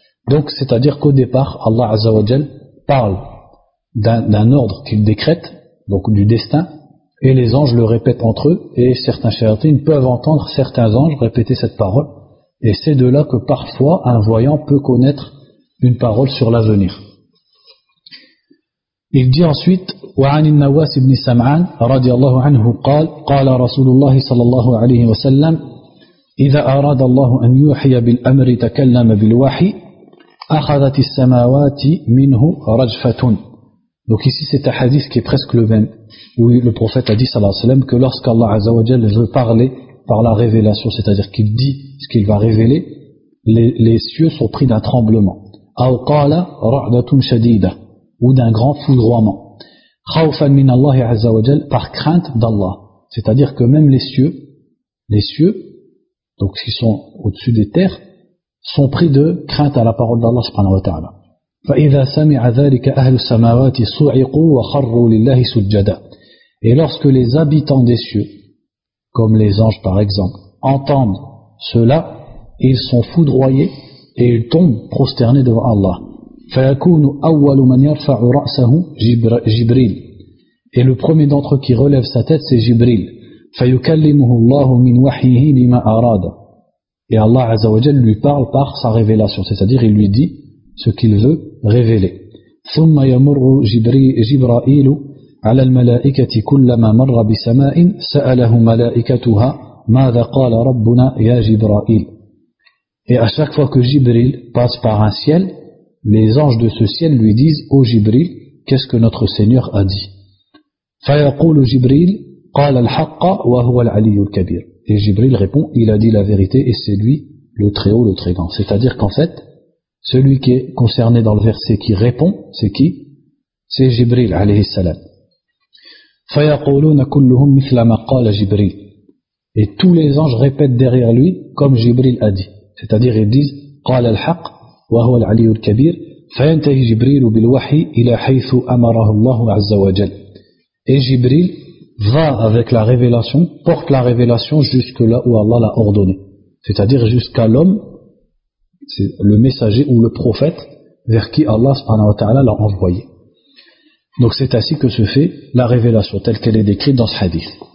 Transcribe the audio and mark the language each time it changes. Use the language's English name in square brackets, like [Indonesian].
[French] Donc c'est-à-dire qu'au départ, Allah Azza wa Jal parle d'un ordre qu'il décrète, donc du destin, et les anges le répètent entre eux, et certains shayatins peuvent entendre certains anges répéter cette parole, et c'est de là que parfois un voyant peut connaître une parole sur l'avenir. Il dit ensuite, [Arabic] وعن النواس بن سمعان رضي الله عنه قال قال رسول الله صلى الله عليه وسلم إذا أراد الله أن يوحي بالأمر تكلم بالوحي أخذت السماوات منه رجفة. [French] Donc ici c'est un hadith qui est presque le même, où le prophète a dit sallallahu alayhi wa sallam que lorsqu'Allah Azza wa Jal veut parler par la révélation, c'est-à-dire qu'il dit ce qu'il va révéler, les cieux sont pris d'un tremblement. [Arabic] Aw qala ra'datun shadida, [French] ou d'un grand foudroiement. [Arabic] Khawfan min Allah Azza wa Jal, [French] par crainte d'Allah. C'est-à-dire que même les cieux, donc qui sont au-dessus des terres, sont pris de crainte à la parole d'Allah subhanahu wa ta'ala. [Arabic] فَإِذَا سَمِعَ ذَلِكَ أَهْلُ السَّمَاوَاتِ صُعِقُوا وَخَرُّوا لِلَّهِ سُجَّدًا. [French] Et lorsque les habitants des cieux, comme les anges par exemple, entendent cela, ils sont foudroyés et ils tombent prosternés devant Allah. [Arabic] فَيَكُونُ أَوَّلُ مَنْ يَرْفَعُ رَأْسَهُ جِبْرِيلُ. [French] Et le premier d'entre eux qui relève sa tête, c'est Jibril. [Arabic] فَيُكَلِّمُهُ اللَّهُ مِنْ وَحْيِهِ لِمَا أَرَادَ. [French] Et Allah Azza wa Jal lui parle par sa révélation, c'est-à-dire il lui dit ce qu'il veut révéler. [Arabic] ثم يمر جبرائيل على الملائكة كلما مر بسماء سأله ملائكتها ماذا قال ربنا يا جبرائيل. [French] Et à chaque fois que Jibril passe par un ciel, les anges de ce ciel lui disent, ô Jibril, qu'est-ce que notre Seigneur a dit? [Arabic] فيقول جبريل قال الحق وهو العلي الكبير. [French] Et Jibril répond, il a dit la vérité et c'est lui le très haut, le très grand. C'est-à-dire qu'en fait, celui qui est concerné dans le verset qui répond, c'est qui? C'est Jibril, alayhi salam. [Arabic] فَيَقُولُونَ كُلُّهُمْ مِثْلَ مَا قَالَ جِبْرِيلِ. [French] Et tous les anges répètent derrière lui, comme Jibril a dit. C'est-à-dire, ils disent, [Arabic] قَالَ الْحَقِّ وَهُوَ الْعَلِيُّ الْكَبِيرِ فَيَنْتَهِ جِبْرِيلُ بِالْوَحِي إِلَى حَيْثُ أَمَرَهُ اللَّهُ عَزَّ وَجَلْ. [French] Et Jibril va avec la révélation, porte la révélation jusque là où Allah l'a ordonné. C'est-à-dire jusqu'à l'homme, c'est le messager ou le prophète vers qui Allah subhanahu wa ta'ala l'a envoyé. Donc c'est ainsi que se fait la révélation telle qu'elle est décrite dans ce hadith.